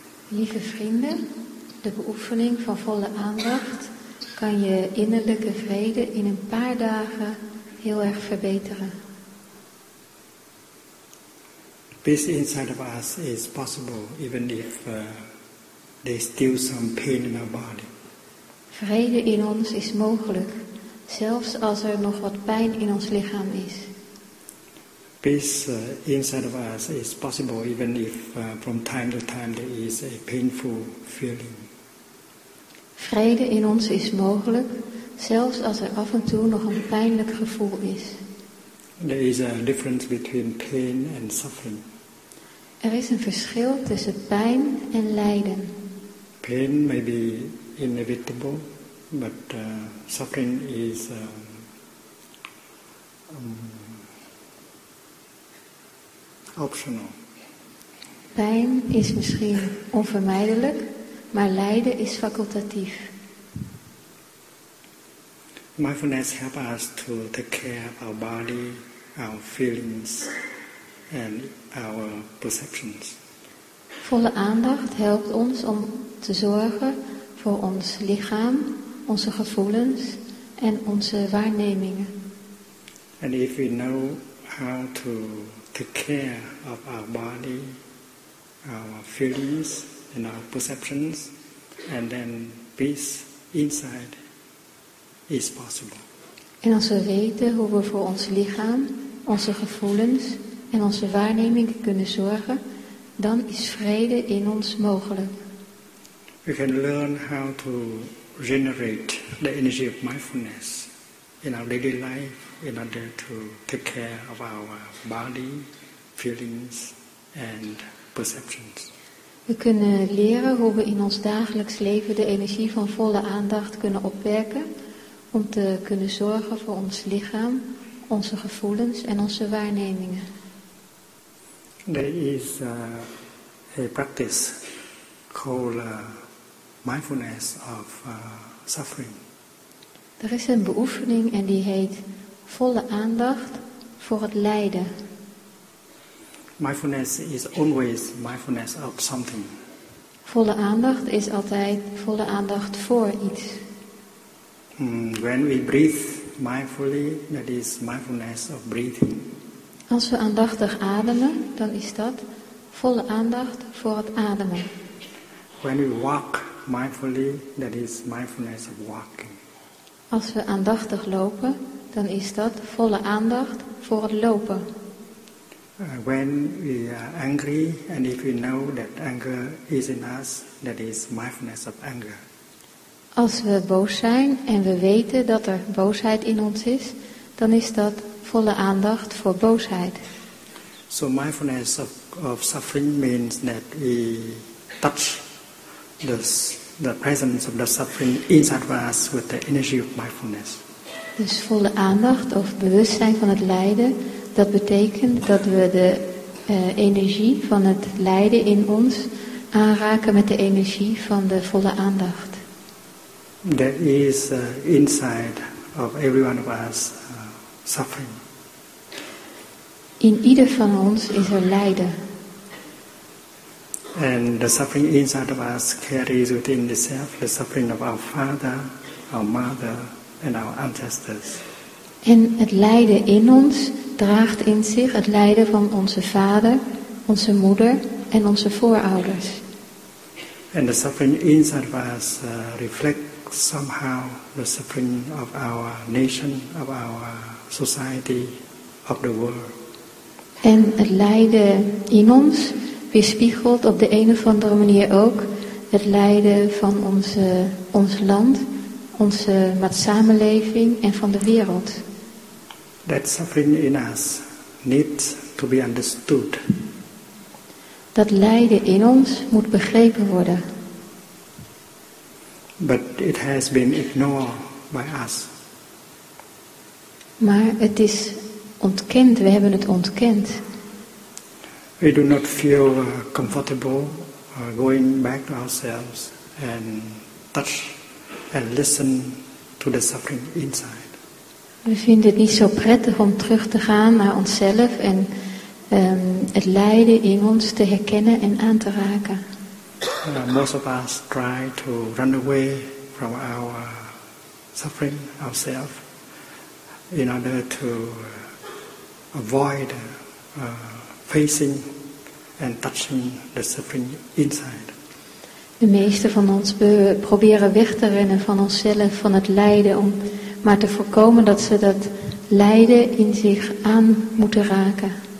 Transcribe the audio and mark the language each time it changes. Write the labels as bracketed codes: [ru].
[nl] Lieve vrienden, de beoefening van volle aandacht kan je innerlijke vrede in een paar dagen heel erg verbeteren. [en] Peace inside of us is possible even if there is still some pain in our body. [nl] Vrede in ons is mogelijk, zelfs als er nog wat pijn in ons lichaam is. [en] Peace inside of us is possible even if from time to time there is a painful feeling. [nl] Vrede in ons is mogelijk, zelfs als er af en toe nog een pijnlijk gevoel is. [en] There is a difference between pain and suffering. [nl] Er is een verschil tussen pijn en lijden. [en] Pain may be inevitable, but suffering is optional. [nl] Pijn is misschien onvermijdelijk, maar lijden is facultatief. [en] Mindfulness helps us to take care of our body, our feelings, and our perceptions. [nl] Volle aandacht helpt ons om te zorgen voor ons lichaam, onze gevoelens en onze waarnemingen. [en] And if we know how to take care of our body, our feelings and our perceptions, and then peace inside is possible. [nl] En als we weten hoe we voor ons lichaam, onze gevoelens en onze waarnemingen kunnen zorgen, dan is vrede in ons mogelijk. [en] We can learn how to generate the energy of mindfulness in our daily life in order to take care of our body, feelings, and perceptions. [nl] We kunnen leren hoe we in ons dagelijks leven de energie van volle aandacht kunnen opwerken om te kunnen zorgen voor ons lichaam, onze gevoelens en onze waarnemingen. [en] There is a practice called mindfulness of suffering. [nl] Er is een beoefening en die heet volle aandacht voor het lijden. [en] Mindfulness is always mindfulness of something. [nl] Volle aandacht is altijd volle aandacht voor iets. [en] When we breathe mindfully, that is mindfulness of breathing. [nl] Als we aandachtig ademen, dan is dat volle aandacht voor het ademen. [en] When we walk mindfully, that is mindfulness of walking. [nl] Als we aandachtig lopen, dan is dat volle aandacht voor het lopen. [en] When we are angry, and if we know that anger is in us, that is mindfulness of anger. [nl] Als we boos zijn en we weten dat er boosheid in ons is, dan is dat volle aandacht voor boosheid. [en] So mindfulness of suffering means that we touch the presence of the suffering inside of us with the energy of mindfulness. [nl] Dus volle aandacht of bewustzijn van het lijden, dat betekent dat we de energie van het lijden in ons aanraken met de energie van de volle aandacht. [en] There is inside of every one of us suffering. [nl] In ieder van ons is er lijden. [en] And the suffering inside of us carries within itself the suffering of our father, our mother, and our ancestors. [nl] En het lijden in ons draagt in zich het lijden van onze vader, onze moeder en onze voorouders. [en] And the suffering inside of us reflects somehow the suffering of our nation, of our society, of the world. [nl] En het lijden in ons weerspiegelt op de een of andere manier ook het lijden van ons land, onze samenleving en van de wereld. [en] That suffering in us needs to be understood. [nl] Dat lijden in ons moet begrepen worden. [en] But it has been ignored by us. [nl] Maar het is ontkend, we hebben het ontkend. [en] We do not feel comfortable going back to ourselves and touch and listen to the suffering inside. [nl] We vinden het niet zo prettig om terug te gaan naar onszelf en het lijden in ons te herkennen en aan te raken. [en] Most of us try to run away from our suffering ourselves in order to avoid facing and touching the suffering inside. [nl] De meeste van ons proberen weg te rennen van onszelf, van het lijden, om maar te voorkomen dat ze dat lijden in zich aan moeten raken.